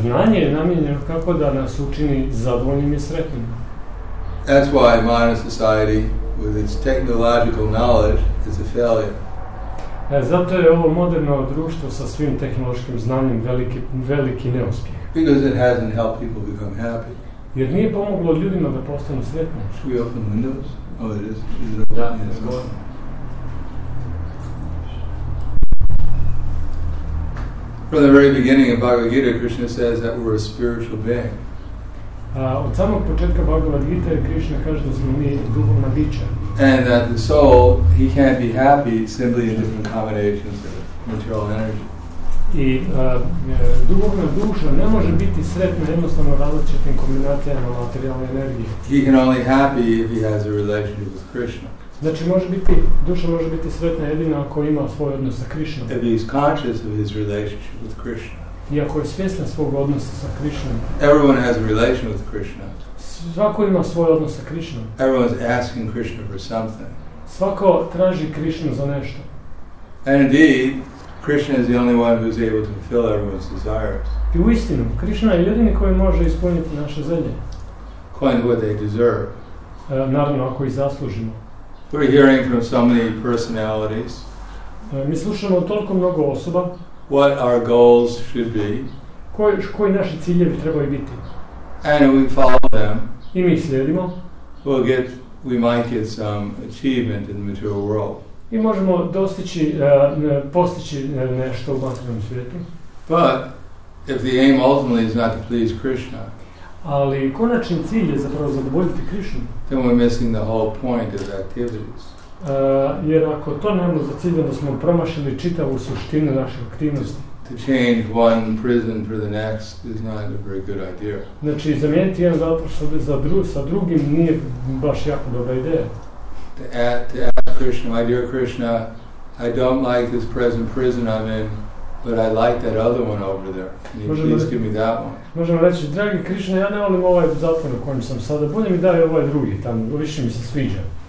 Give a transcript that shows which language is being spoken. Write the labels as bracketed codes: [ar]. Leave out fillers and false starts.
[hr] Znanje je namijenjeno kako da nas učini zadovoljnim i sretnim. [en] That's why modern society, with its technological knowledge, is a failure. [hr] Zato je ovo moderno društvo sa svim tehnološkim znanjem veliki neuspjeh. [en] Because it hasn't helped people become happy. [hr] Jer nije pomoglo ljudima da postanu sretni. [en] Should we open windows? Oh, it is. Is it open? Da, yes. Go on. From the very beginning of Bhagavad Gita, Krishna says that we're a spiritual being. [hr] Od samog početka Bhagavad Gita Krishna kaže da smo mi duhovna bića. [en] And that the soul, he can't be happy simply in different combinations of material energy. [hr] I duhovna duša ne može biti sretna jednostavno različitim kombinacijama materijalne energije. [en] He can only be happy if he has a relationship with Krishna. [hr] Znači, može biti, duša može biti sretna jedina ako ima svoj odnos sa Krishnom. [en] If he is conscious of his relationship with Krishna. [hr] I ako je svjesna svog odnosa sa Krishnom. [en] Everyone has a relation with Krishna. [hr] Svako ima svoj odnos sa Krishnom. [en] Everyone is asking Krishna for something. [hr] Svako traži Krishnu za nešto. [en] And indeed, Krishna is the only one who is able to fulfill everyone's desires. [hr] I u istinu, Krishna je jedini koji može ispuniti naše želje. [en] According to what they deserve. [hr] Naravno, ako ih zaslužimo. [en] We're hearing from so many personalities. [hr] Mi slušamo toliko mnogo osoba. [en] What our goals should be. [hr] Koji naši ciljevi trebaju biti. [en] And if we follow them. [hr] I mi slijedimo. [en] We might get some achievement in the material world. [hr] I možemo dostići, postići nešto u materijalnom svijetu. [en] But if the aim ultimately is not to please Krishna. [hr] Ali konačni cilj je zapravo zadovoljiti Krishnu. [en] Then we're missing the whole point of activities. [hr] Jer ako to nemamo za cilj, onda smo promašili čitavu suštinu naše aktivnosti. [en] To change one prison for the next is not a very good idea. [hr] Znači, zamijeniti jedan zatvor sa drugim nije baš jako dobra ideja. [en] to ask Krishna, my dear Krishna, I don't like this present prison I'm in, but I like that other one over there. Can you please give me that one? [hr] Možemo reći, dragi Krishna, ja ne volim ovaj zatvor u kojem sam sada, budi mi daj ovaj drugi, tam više mi se sviđa.